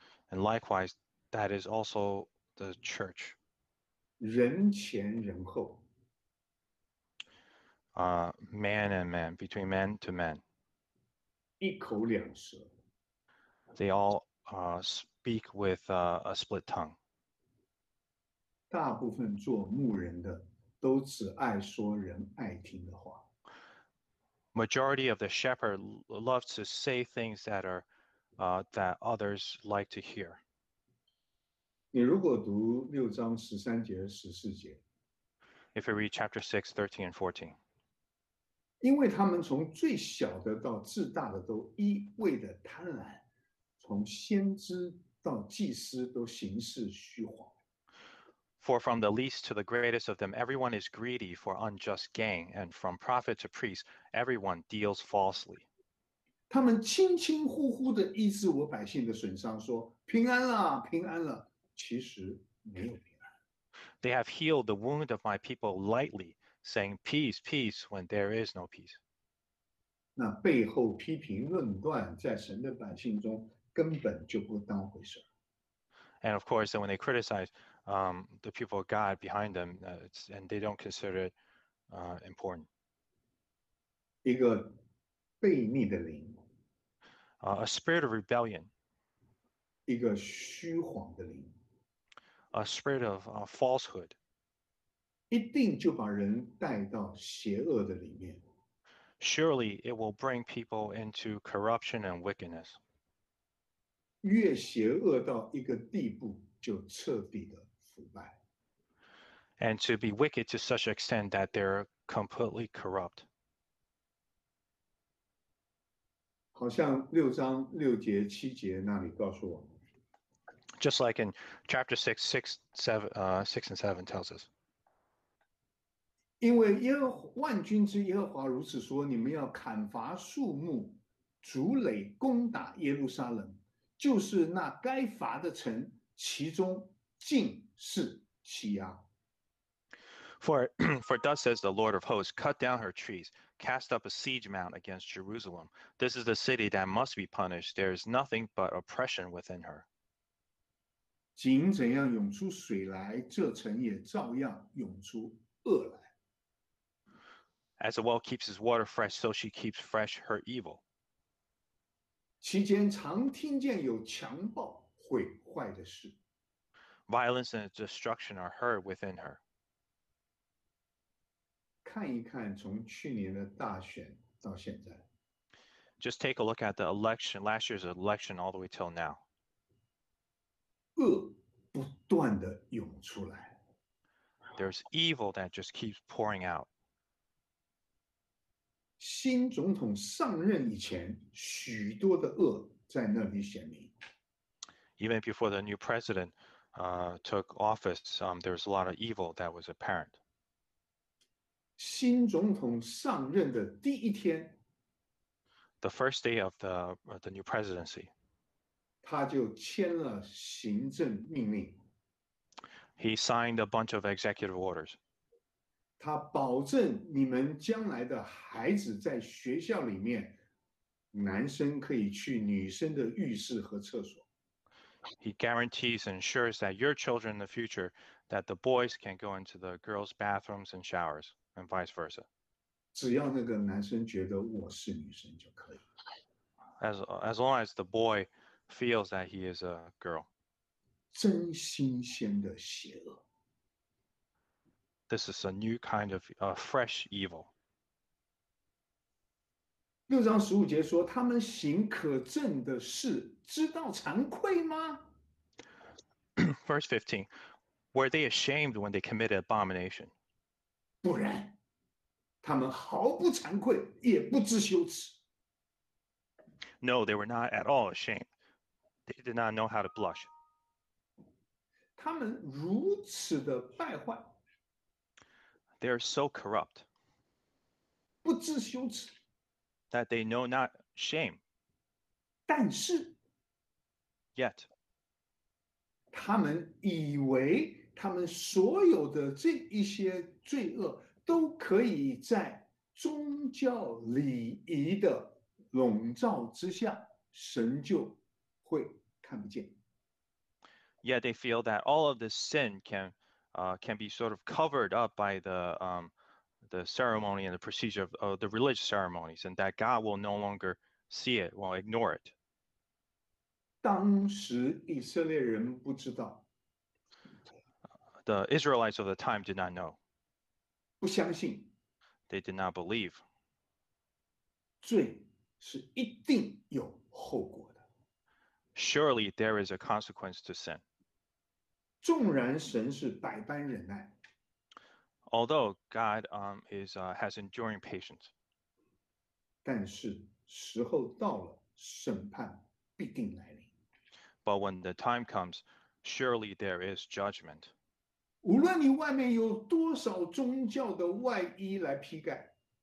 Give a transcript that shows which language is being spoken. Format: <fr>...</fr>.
<en>And likewise, that is also the church.</en> <zh>人前人后。</zh> <en>Man and man, between man to man.</en> <zh>一口两舌。</zh> <en>They all speak with a split tongue.</en> <zh>大部分做牧人的都只爱说人爱听的话。</zh> <en>Majority of the shepherd loves to say things that are that others like to hear.</en> <zh>你如果读六章十三节、十四节</zh> <en>，If you read chapter 6, 13 and 14,</en> <zh>因为他们从最小的到至大的都一味的贪婪，从先知到祭司都行事虚谎。</zh> <en>For from the least to the greatest of them, everyone is greedy for unjust gain, and from prophet to priest, everyone deals falsely.</en> <zh>他们轻轻呼呼地医治我百姓的损伤，说平安了，平安了。其实没有平安。</zh> <en>They have healed the wound of my people lightly, saying peace, peace, when there is no peace.</en> <zh>那背后批评论断在神的百姓中根本就不当回事。</zh> <en>And of course, then when they criticize the people of God behind them, it's, and they don't consider it important.</en> <zh>一个悖逆的灵,</zh> <en>a spirit of rebellion.</en> <zh>一个虚谎的灵,</zh> <en>a spirit of falsehood.</en> <zh>一定就把人带到邪恶的里面。</zh> <en>Surely it will bring people into corruption and wickedness.</en> <zh>越邪恶到一个地步就彻底的腐败。</zh> <en>And to be wicked to such extent that they're completely corrupt.</en> <zh>好像六章六节七节那里告诉我们。</zh> <en>Just like in chapter 6, 6, 7, 6 and 7 tells us.</en> <zh>因为耶和万军之耶和华如此说，你们要砍伐树木，筑垒，攻打耶路撒冷，就是那该罚的城，其中尽是欺压。</zh> <en>For thus says the Lord of hosts, cut down her trees, cast up a siege mount against Jerusalem. This is the city that must be punished. There is nothing but oppression within her.</en> <zh>井怎样涌出水来，这城也照样涌出恶来。</zh> <en>As a well keeps his water fresh, so she keeps fresh her evil.</en> <zh>其间常听见有强暴毁坏的事。</zh> <en>Violence and destruction are heard within her.</en> <zh>看一看从去年的大选到现在。</zh> <en>Just take a look at the election, last year's election all the way till now.</en> <zh>恶不断地涌出来。</zh> <en>There's evil that just keeps pouring out.</en> <zh>新总统上任以前，许多的恶在那里显明。</zh> <en>Even before the new president took office, there was a lot of evil that was apparent.</en> <zh>新总统上任的第一天</zh> <en>，the first day of the new presidency,</en> <zh>他就签了行政命令。</zh> <en>He signed a bunch of executive orders.</en> <zh>他保证你们将来的孩子在学校里面，男生可以去女生的浴室和厕所。</zh> <en>He guarantees and ensures that your children in the future that the boys can go into the girls' bathrooms and showers and vice versa.</en> <zh>只要那个男生觉得我是女生就可以。</zh> <en>As long as the boy feels that he is a girl.</en> <zh>真新鲜的邪恶。</zh> <en>This is a new kind of fresh evil.</en> <zh>六章十五节说，他们行可憎的事，知道惭愧吗？</zh> <en>Verse 15, were they ashamed when they committed abomination?</en> <zh>不然，他们毫不惭愧，也不知羞耻。</zh> <en>No, they were not at all ashamed. They did not know how to blush.</en> <zh>他们如此的败坏。</zh> <en>They are so corrupt</en> <zh>不知羞耻,</zh> <en>that they know not shame.</en> <zh>但是,</zh> <en>yet,</en> <zh>他们以为他们所有的这一些罪恶都可以在宗教礼仪的笼罩之下,神就会看不见。</zh> <en>Yet they feel that all of this sin can be sort of covered up by the ceremony and the procedure of the religious ceremonies, and that God will no longer see it, will ignore it.</en> <zh>当时以色列人不知道。</zh> <en>The Israelites of the time did not know.</en> <zh>不相信。</zh> <en>They did not believe.</en> <zh>罪是一定有后果的。</zh> <en>Surely there is a consequence to sin.</en> <zh>纵然神是百般忍耐</zh> <en>，although God has enduring patience，</en> <zh>但是时候到了，审判必定来临。</zh> <en>But when the time comes, surely there is judgment。</en> <zh>无论你外面有多少宗教的外衣来披盖</zh>